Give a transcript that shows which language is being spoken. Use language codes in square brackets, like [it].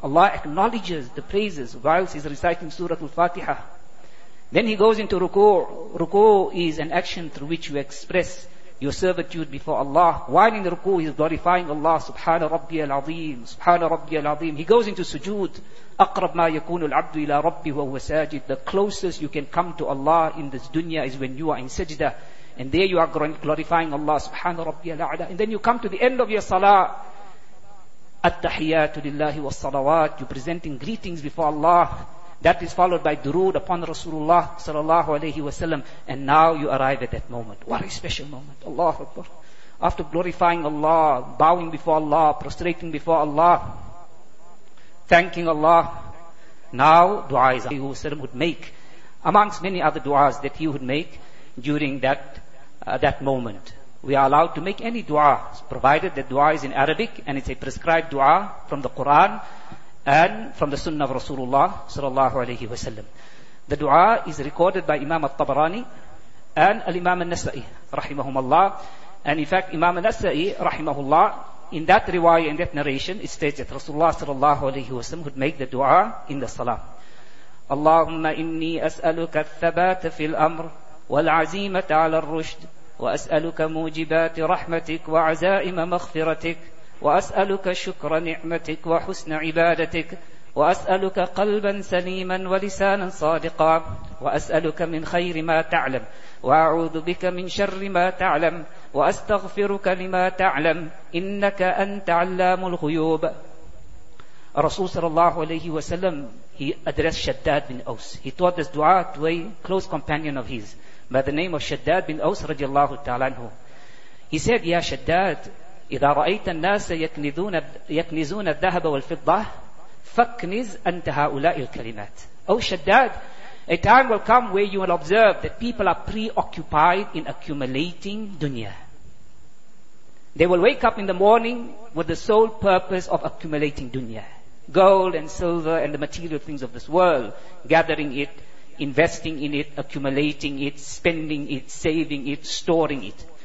[en] Allah acknowledges the praises whilst he's reciting Suratul Fatiha. Then he goes into ruku. Ruku is an action through which you express your servitude before Allah. While in ruku, he is glorifying Allah, [ar] Subhana Rabbi al-Azim, Subhana Rabbi al-Azim. [en] He goes into sujood. [ar] أقرب ما يكون العبد إلى ربه وهو ساجد. [en] The closest you can come to Allah in this dunya is when you are in sajda. And there you are glorifying Allah, [ar] Subhana Rabbi al-A'la. [en] And then you come to the end of your salah. [ar] التحيات لله والصلوات. [en] You're presenting greetings before Allah. That is followed by durood upon Rasulullah sallallahu alayhi wa sallam. And now you arrive at that moment. What a special moment. Allahu Akbar. After glorifying Allah, bowing before Allah, prostrating before Allah, thanking Allah, now dua is alayhi wa sallam would make, amongst many other duas that he would make during that moment. We are allowed to make any dua, provided that dua is in Arabic and it's a prescribed dua from the Quran and from the sunnah of Rasulullah sallallahu alayhi wa sallam. The dua is recorded by Imam al-Tabarani and al-Imam al-Nasa'i rahimahumallah. And in fact, Imam al-Nasa'i rahimahullah, in that riwayah, in that narration, it states that Rasulullah sallallahu alayhi wa sallam would make the dua in the salah. [ar] Allahumma inni as'aluka al-thabata fil amr wal-azimata ala al-rushd wa as'aluka mujibati rahmatik wa azaima maghfiratik وأسألك شكر نعمتك وحسن عبادتك وأسألك قلبا سليما ولسانا صادقا وأسألك من خير ما تعلم وأعوذ بك من شر ما تعلم وأستغفرك لما تعلم إنك أنت علام الغيوب. [en] Rasul sallallahu alayhi wa sallam, he addressed Shaddad bin Aws. He taught this dua to a close companion of his by the name of Shaddad bin Aws radiallahu ta'ala anhu. He said, [ar] Ya Shaddad, إذا رأيت الناس يكنزون الذهب والفضة فكنز أنت هؤلاء الكلمات. [en] Oh Shaddad, a time will come where you will observe that people are preoccupied in accumulating dunya. They will wake up in the morning with the sole purpose of accumulating dunya, gold and silver and the material things of this world, gathering it, investing in it, accumulating it, spending it, saving it, storing it.